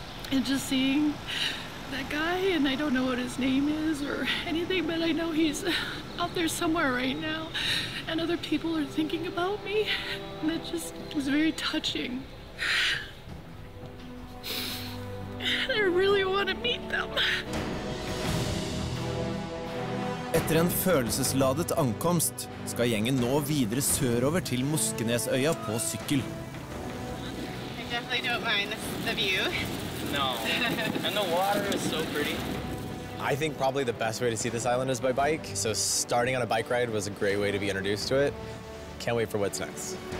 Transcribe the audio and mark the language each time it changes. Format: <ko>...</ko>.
<en>And just seeing that guy, and I don't know what his name is or anything, but I know he's out there somewhere right now, and other people are thinking about me, and it just was very touching. And I really want to meet them.</en> <no>Etter en følelsesladet ankomst, skal gjengen nå videre sørover til Moskenesøya på sykkel.</no> <en>I definitely don't mind the view. No, and the water is so pretty. I think probably the best way to see this island is by bike. So starting on a bike ride was a great way to be introduced to it. Can't wait for what's next.</en>